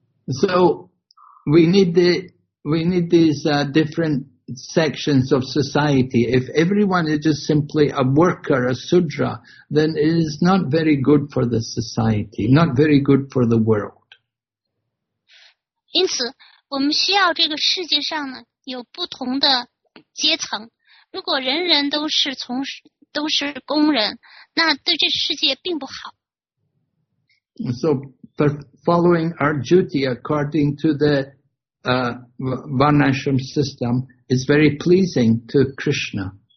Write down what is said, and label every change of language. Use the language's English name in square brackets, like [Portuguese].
[English] So we need these different sections of society. If everyone is just simply a worker, a sudra, then it is not very good for the society, not very good for the world. [Chinese] 因此，我们需要这个世界上呢有不同的阶层。如果人人都是从都是工人，那对这世界并不好。 [English] So, following our duty according to the Varnashram system is very pleasing to Krishna.